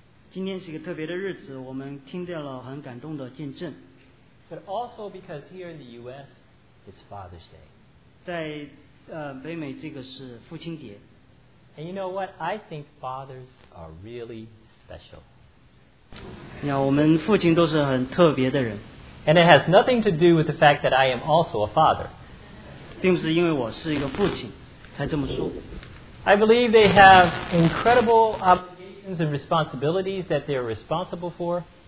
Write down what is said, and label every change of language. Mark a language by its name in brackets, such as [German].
[Chinese] 今天是一个特别的日子，我们听到了很感动的见证。 [English] But also because here in the U.S. it's Father's Day. [Chinese] 在北美这个是父亲节。 [English] And you know what? I think fathers are really special. [Chinese] 你看，我们父亲都是很特别的人。 [English] And it has nothing to do with the fact that I am also a father. [Chinese] 并不是因为我是一个父亲才这么说。 [English] I believe they have incredible obligations and responsibilities that they are responsible for.